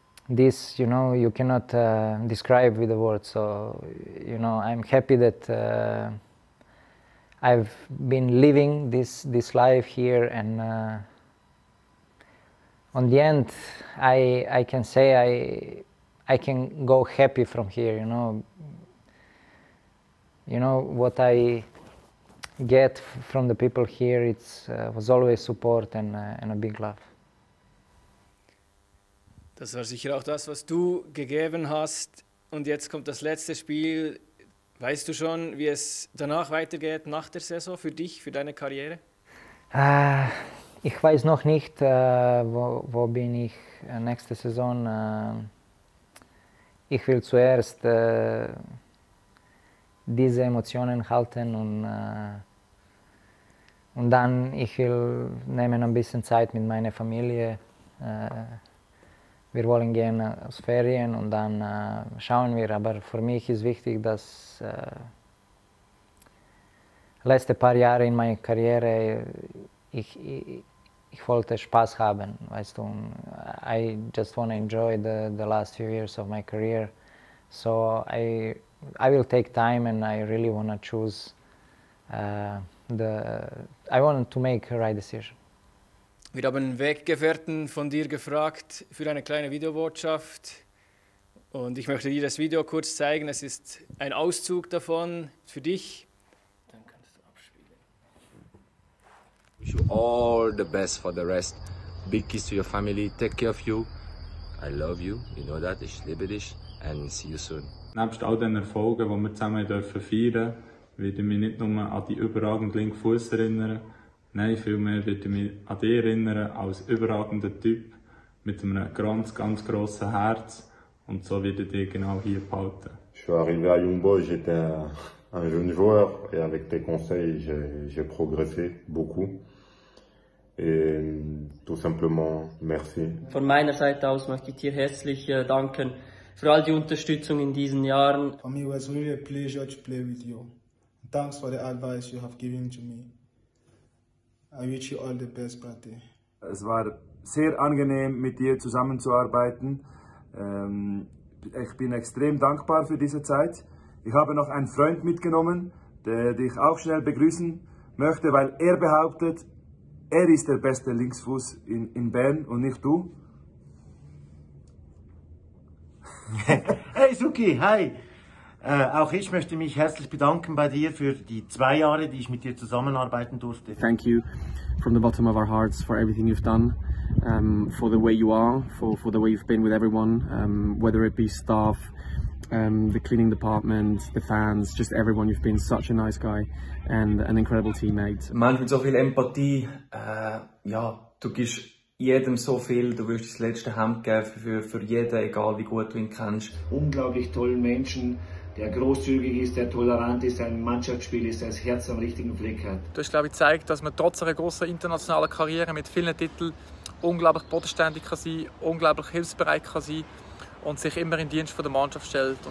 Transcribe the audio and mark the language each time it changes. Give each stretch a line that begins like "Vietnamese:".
English: This, you know, you cannot describe with the words. So, you know, I'm happy that I've been living this life here, and on the end, I can say I can go happy from here, you know. You know what I get from the people here, it's was always support and a big love.
German: Das war sicher auch das, was du gegeben hast. Und jetzt kommt das letzte Spiel. Weißt du schon, wie es danach weitergeht, nach der Saison, für dich, für deine Karriere? Ich weiß noch nicht, wo bin ich nächste Saison. Ich will zuerst diese Emotionen halten und dann ich will nehmen ein bisschen Zeit mit meiner Familie. Wir wollen gehen aus Ferien und dann schauen wir. Aber für mich ist wichtig, dass letzte paar Jahre in meiner Karriere ich wollte Spaß haben, weißt du.
English: I just want to enjoy the last few years of my career. So I will take time and I really want to choose I want to make a right decision.
German: Wir haben Weggefährten von dir gefragt für eine kleine Videobotschaft. Und ich möchte dir das Video kurz zeigen. Es ist ein Auszug davon für dich. Dann kannst du abspielen.
English: I wish you all the best for the rest. Big kiss to your family. Take care of you. I love you. You know that.
German: Ich liebe dich.
English: And see you soon.
German: Nebst all den Erfolgen, die wir zusammen dürfen feiern, werde ich mich nicht nur an die überragende linke Fuß erinnern. Nein, vielmehr würde ich mich an dich erinnern als überragender Typ mit einem ganz, ganz grossen Herz. Und so würde ich dich genau hier behalten. Ich bin
French: arrivé à Jumbo, j'étais un jeune joueur. Et avec tes conseils, j'ai progressé beaucoup. Et tout simplement, merci.
German: Von meiner Seite aus möchte ich dir herzlich danken für all die Unterstützung in diesen Jahren.
English: For me, it was really a pleasure to play with you. Thanks for the advice you have given to me. I wish you all the best, Brate.
German: Es war sehr angenehm, mit dir zusammenzuarbeiten. Ich bin extrem dankbar für diese Zeit. Ich habe noch einen Freund mitgenommen, der dich auch schnell begrüßen möchte, weil er behauptet, er ist der beste Linksfuß in Bern und nicht du.
English: Hey Suki, hi!
German: Auch ich möchte mich herzlich bedanken bei dir für die 2 Jahre, die ich mit dir zusammenarbeiten durfte.
English: Thank you from the bottom of our hearts for everything you've done, for the way you are, for the way you've been with everyone, whether it be staff, the cleaning department, the fans, just everyone. You've been such a nice guy and an incredible teammate.
German: Mensch, mit so viel Empathie, ja, du gibst jedem so viel, du wirst das letzte Hemd geben für jeden, egal wie gut du ihn kennst. Unglaublich tollen Menschen, der großzügig ist, der tolerant ist, ein Mannschaftsspiel ist, der das Herz am richtigen Fleck hat. Du hast, glaube ich, gezeigt, dass man trotz einer großen internationalen Karriere mit vielen Titeln unglaublich bodenständig kann sein, unglaublich hilfsbereit kann sein und sich immer in Dienst von der Mannschaft stellt.